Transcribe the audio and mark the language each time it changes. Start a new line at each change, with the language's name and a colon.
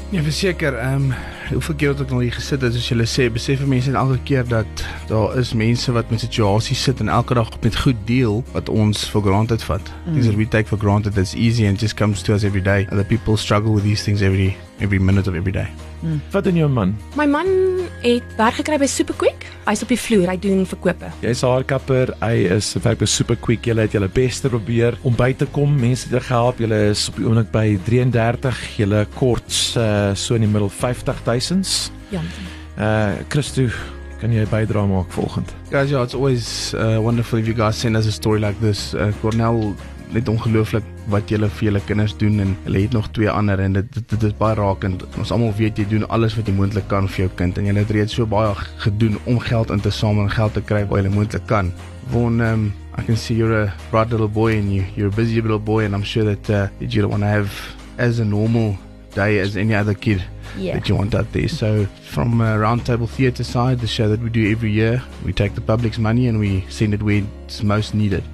Afrikaans: Ja, verseker, hoeveel keer het ek nou hier gesit, het, soos julle sê, besef vir mense elke keer dat daar is mense wat met situasies sit en elke dag met goed deel wat ons
English: for granted
Afrikaans: vat.
English: These are we take for granted, it's easy and it just comes to us every day. Other people struggle with these things every minute of every day.
Afrikaans: Wat doen jou man? My man het werk gekry by Superquick. Hy is op die vloer, hy doen verkope. Jy is haarkapper, hy is werk by Superquick. Julle het julle beste probeer om by te kom. Mense het julle gehelp. Julle is op die oomblik by 33. Julle kort so in die middel 50,000. Ja. Christo, kan jy bydra maak volgend?
English: Guys, yeah, it's always wonderful if you guys send us a story like this.
Afrikaans: Cornel, net ongelooflik wat jy vir jou kinders doen, en jy het nog twee ander, en dit is baie rakend. Ons allemaal weet, jy doen alles wat jy moontlik kan vir jou kind, en jy het reeds so baie gedoen om geld in te samel en geld te kry wat jy moontlik kan.
English: Vaughan, I can see you're a bright little boy, and you're a busy little boy, and I'm sure that you don't want to have as a normal day as any other kid. Yeah. That you want out there. So from Roundtable Theatre side, the show that we do every year, we take the public's money and we send it where it's most needed.